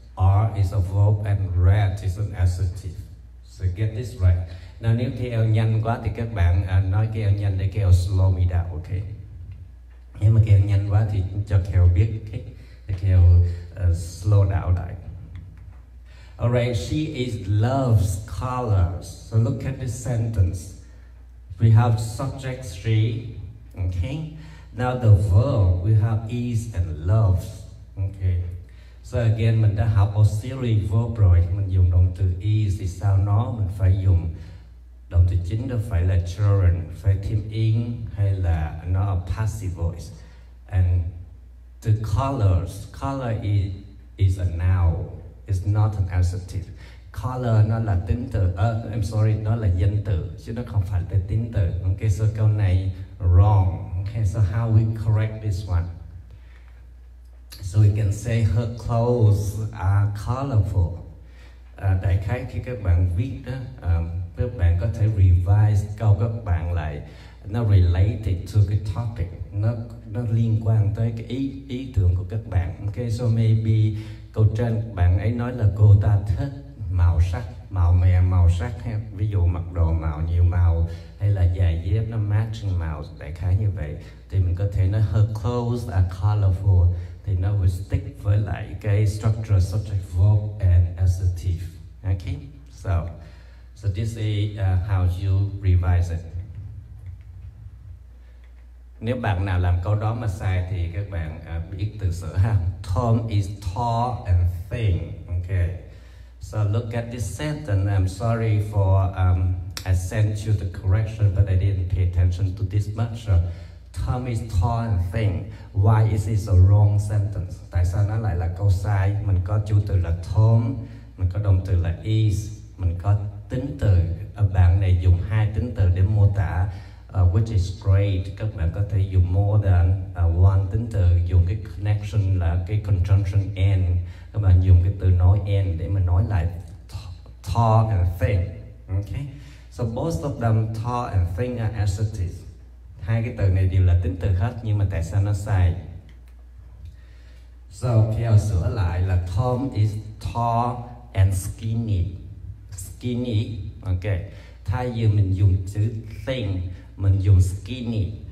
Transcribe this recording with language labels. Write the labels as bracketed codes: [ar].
[en] R is a verb and red is an adjective. So get this right. [vi] Now, nếu KL nhanh quá thì các bạn nói KL nhanh để KL [en] slow me down, okay? [vi] Nếu mà KL nhanh quá thì cho KL biết, okay? Để KL slow down lại. [en] Alright, she is loves colors. So look at this sentence. We have subject 3, okay? Now the verb, we have is and loves, okay? [vi] So again, mình đã học một series verb rồi. Mình dùng động từ is thì sau nó mình phải dùng động từ chính, đó phải là children, phải thêm in hay là nó a passive voice. [en] And the colors, color is a noun, it's not an adjective. [vi] Color nó là tính từ, nó là danh từ, chứ nó không phải là tính từ. [en] Okay, so [vi] câu này [en] wrong. Okay, so how we correct this one? So we can say her clothes are colorful. [vi] Đại khái khi các bạn viết đó, các bạn có thể revise câu các bạn lại. Nó [en] related to the topic, [vi] nó liên quan tới cái ý tưởng của các bạn. Okay, so maybe câu trên bạn ấy nói là cô ta thích màu sắc, màu mè màu sắc ha. Ví dụ mặc đồ màu nhiều màu hay là giày dép nó matching màu, đại khái như vậy. Thì mình có thể nói [en] her clothes are colorful, [vi] thì nó [en] will stick [vi] với lại cái structure subject verb and adjective. [en] Okay, so this is how you revise it. [vi] Nếu bạn nào làm câu đó mà sai thì các bạn biết từ sửa ha. [en] Tom is tall and thin. Okay, so look at this sentence. I'm sorry for I sent you the correction, but I didn't pay attention to this much. So, Tom is tall and thin. Why is this a wrong sentence? [vi] Tại sao nó lại là câu sai? Mình có chủ từ là Tom, mình có động từ là is, mình có tính từ. Bạn này dùng hai tính từ để mô tả, [en] which is great. [vi] Các bạn có thể dùng [en] more than one [vi] tính từ, dùng cái connection là cái conjunction and. Các bạn dùng cái từ nói and để mà nói lại tall and thin. [en] Okay, so both of them, tall and thin, are adjectives. [vi] Hai cái từ này đều là tính từ hết, nhưng mà tại sao nó sai? So Kiel sửa lại là [en] Tom is tall and skinny. [vi] Skinny, okay. Thay vì mình dùng chữ thin, mình dùng skinny.